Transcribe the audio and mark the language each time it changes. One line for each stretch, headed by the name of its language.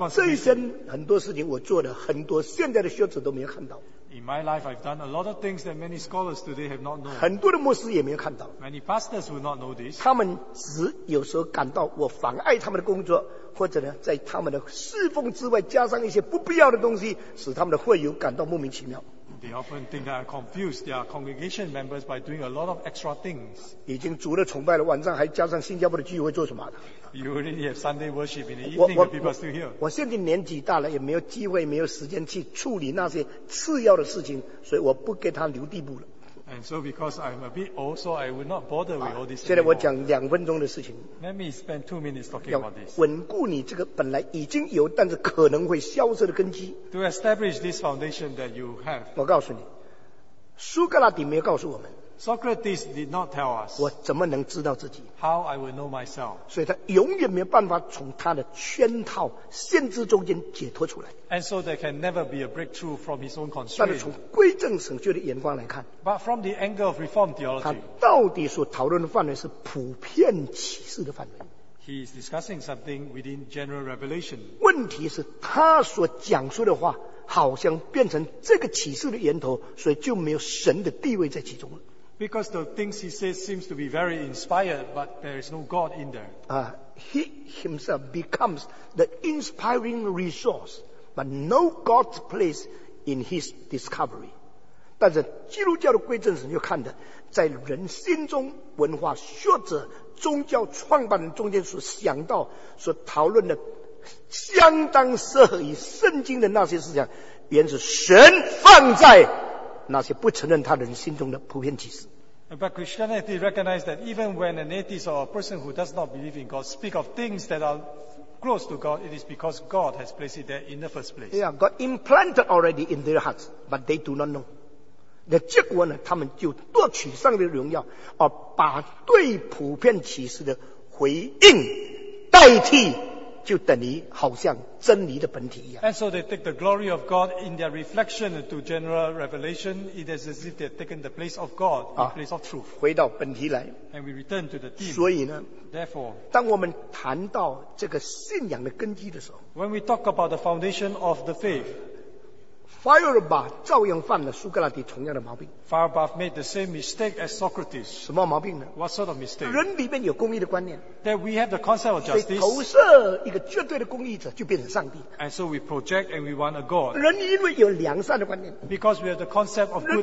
Chinese: 我这一生很多事情我做的很多，现在的学者都没有看到。
English: In my life, I've done a lot of things that many scholars today have not known.
Chinese: 很多的牧师也没有看到。
English: Many pastors will not know this.
Chinese: 他们只有时候感到我妨碍他们的工作。或者呢，在他们的侍奉之外加上一些不必要的东西，使他们的会友感到莫名其妙。
English: They often think that I confuse their congregation members by doing a lot of extra things.
Chinese: 已经主日崇拜了，晚上还加上新加坡的聚会做什么的
English: ？You already have Sunday worship in the evening, and people are still here.
Chinese: 我现在年纪大了，也没有机会，没有时间去处理那些次要的事情，所以我不给他留地步了。
English: And so because I'm a bit old, so I will not bother with all this.
Chinese: 现在我讲两分钟的事情。
English: Let me spend 2 minutes talking about this.
Chinese: 稳固你这个本来已经有但是可能会消失的根基。
English: To establish this foundation that you have.
Chinese: 我告诉你，苏格拉底没有告诉我们。
English: Socrates did not tell us.
Chinese: 我怎么能知道自己
English: ？How I will know myself?
Chinese: 所以他永远没有办法从他的圈套限制中间解脱出来。
English: And so there can never be a breakthrough from his own constraint.
Chinese: 但是从归正神学的眼光来看
English: ，But from the angle of reform theology,
Chinese: 他到底所讨论的范围是普遍启示的范围。
English: He is discussing something within general revelation.
Chinese: 问题是他所讲述的话好像变成这个启示的源头，所以就没有神的地位在其中了。
English: Because the things he says seems to be very inspired, but there is no God in there. He himself becomes the inspiring resource, but no God's place in his discovery.
Chinese: 但是基督教的归正神就看的，在人心中、文化、学者、宗教创办人中间所想到、所讨论的，相当适合于圣经的那些思想，原是神放在。那些不承认他人心中的普遍启示。
English: But Christianity recognized that even when an atheist or a person who does not believe in God speak of things that are close to God, it is because God has placed it there in the first place. Yeah, God implanted already in their hearts, but they do not know.
Chinese: 那结果呢？他们就夺取上帝的荣耀，而把对普遍启示的回应代替。就等于好像真理的本体一样。
English: And so they take the glory of God in their reflection to general revelation. It is as if they have taken the place of God in place of truth.
Chinese: 回到本题来。
English: And we return to the theme.
Chinese: 所以呢
English: ，Therefore，
Chinese: 当我们谈到这个信仰的根基的时候
English: ，When we talk about the foundation of the faith，
Chinese: 费尔巴照样犯了苏格拉底同样的毛病。
English: Feuerbach made the same mistake as Socrates.
Chinese: 什么毛病呢
English: ？What sort of mistake?
Chinese: 人里面有公义的观念。
English: That we have the concept of justice.
Chinese: 投射一个绝对的公义者就变成上帝。
English: And so we project and we want a God.
Chinese: 人因为有良善的观念。
English: Because we have the concept of goodness.